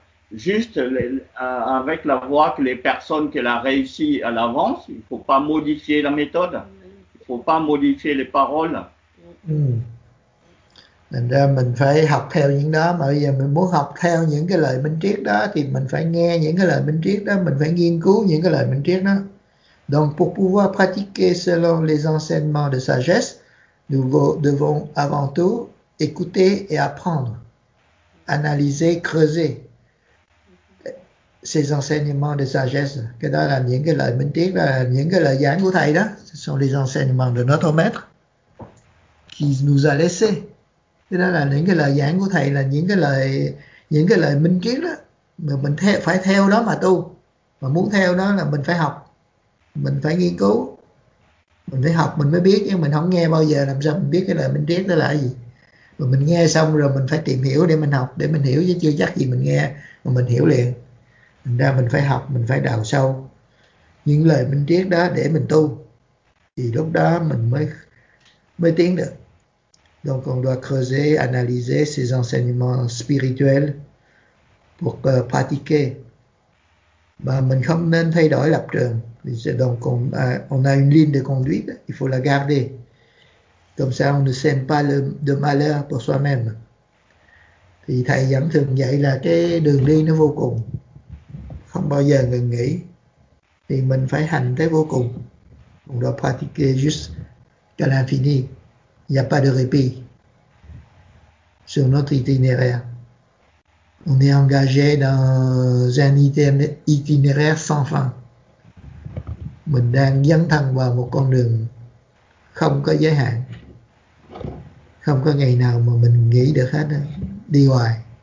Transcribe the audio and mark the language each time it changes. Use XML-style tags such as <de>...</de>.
<fr>Juste avec la voie que les personnes qui l'ont réussi à l'avance, il ne faut pas modifier la méthode, il ne faut pas modifier les paroles.</fr> <vi>Thành ra mình phải học theo những đó, mà bây giờ mình muốn học theo những cái lời minh triết đó thì mình phải nghe những cái lời minh triết đó, mình phải nghiên cứu những cái lời minh triết đó.</vi> <fr>Donc pour pouvoir pratiquer selon les enseignements de sagesse, nous devons avant tout écouter et apprendre, analyser, creuser ces enseignements de sagesse.</fr> <vi>Cái đó là những cái lời minh triết, là những cái lời giảng của thầy đó,</vi> <fr>ce sont les enseignements de notre maître qui nous a laissé.</fr> <vi>Cái đó là những cái lời giảng của thầy, là những cái lời minh triết đó, mà mình phải theo đó mà tu. Mà muốn theo đó là mình phải học, mình phải nghiên cứu, mình phải học mình mới biết. Nhưng mình không nghe bao giờ làm sao mình biết cái lời minh triết đó là gì. Rồi mình nghe xong rồi mình phải tìm hiểu để mình học, để mình hiểu, chứ chưa chắc gì mình nghe mà mình hiểu liền. Thành ra mình phải học, mình phải đào sâu những lời minh triết đó để mình tu, thì lúc đó mình mới tiến được.</vi> <fr>Donc on doit creuser, analyser ces enseignements spirituels pour pratiquer.</fr> <vi>Bah, mình không nên thay đổi lập trường.</vi> <fr>Donc on a une ligne de conduite, il faut la garder. Comme ça, on ne sème pas de malheur pour soi-même.</fr> <vi>Thì thầy vẫn thường dạy là cái đường đi nó vô cùng, không bao giờ ngừng nghỉ. Thì mình phải hành tới vô cùng.</vi> <fr>On doit pratiquer jusqu'à l'infini. Il n'y a pas de répit sur notre itinéraire. On est engagé dans un itinéraire sans fin.</fr> <vi>Mình đang dấn thân vào một con đường không có giới hạn. Không có ngày nào mà mình nghỉ được hết. Đi hoài.</vi>